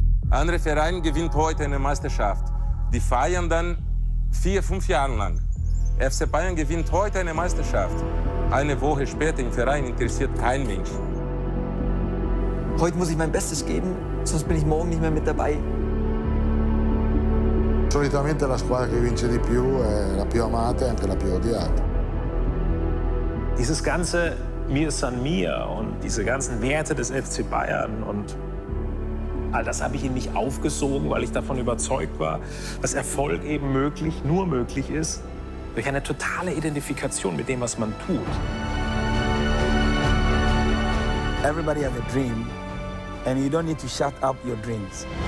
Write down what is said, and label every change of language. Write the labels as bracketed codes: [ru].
[de] Andere Verein gewinnt heute eine Meisterschaft. Die feiern dann 4-5 Jahre lang. FC Bayern gewinnt heute eine Meisterschaft. Eine Woche später im Verein interessiert kein Mensch. Heute muss ich mein Bestes geben, sonst bin ich morgen nicht mehr mit dabei. [it] Solitamente la squadra che vince di più è la più amata e anche la più odiata. [de] Dieses ganze Mir san mir und diese ganzen Werte des FC Bayern und all das habe ich in mich aufgesogen, weil ich davon überzeugt war, dass Erfolg eben möglich, nur möglich ist durch eine totale Identifikation mit dem, was man tut. [en] Everybody has a dream and you don't need to shut up your dreams.